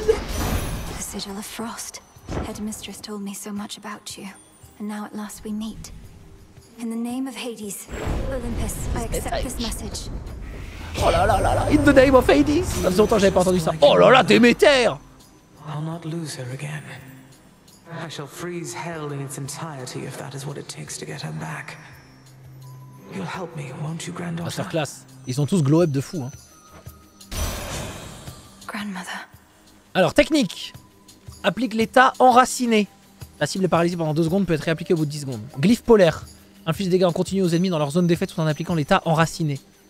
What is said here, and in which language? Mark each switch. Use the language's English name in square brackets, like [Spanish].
[English] The Sigil of Frost. Headmistress told me so much about you. And now at last we meet. In the name of Hades, Olympus, I accept this message. [French] Oh là là là là, [English] in the name of Hades. [French] Ça faisait longtemps que j'avais pas entendu ça. Oh là là, Déméter. [English] I'll not lose her again. I shall freeze hell in its entirety if that is what it takes to get her back. You'll help me, won't you, granddaughter? Masterclass. [French] Ils sont tous glow-up de fou, hein. [English] Grandmother. [French] Alors, technique. Applique l'état enraciné. La cible est paralysée pendant 2 secondes, peut être réappliquée au bout de 10 secondes. Glyphe polaire. Inflige des dégâts en continu aux ennemis dans leur zone défaite tout en appliquant l'état enraciné.